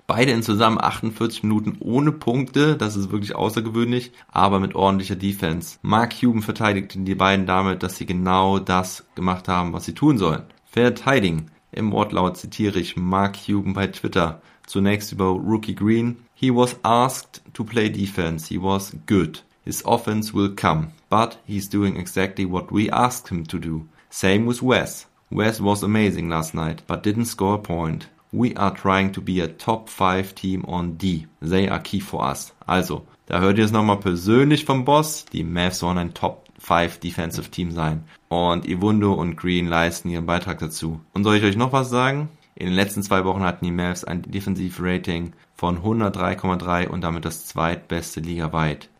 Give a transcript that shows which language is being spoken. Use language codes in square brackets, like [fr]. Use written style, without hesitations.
[de] Beide in zusammen 48 Minuten ohne Punkte, das ist wirklich außergewöhnlich, aber mit ordentlicher Defense. Mark Cuban verteidigte die beiden damit, dass sie genau das gemacht haben, was sie tun sollen. Verteidigen. Im Wortlaut zitiere ich Mark Cuban bei Twitter. Zunächst über Rookie Green. [en] He was asked to play defense. He was good. His offense will come. But he's doing exactly what we asked him to do. Same with Wes. Wes was amazing last night, but didn't score a point. We are trying to be a top 5 team on D. They are key for us. [de] Also, da hört ihr es nochmal persönlich vom Boss. Die Mavs sollen ein Top 5 Defensive Team sein. Und Iwundu und Green leisten ihren Beitrag dazu. Und soll ich euch noch was sagen? In den letzten 2 Wochen hatten die Mavs ein Defensivrating von 103,3 und damit das zweitbeste ligaweit.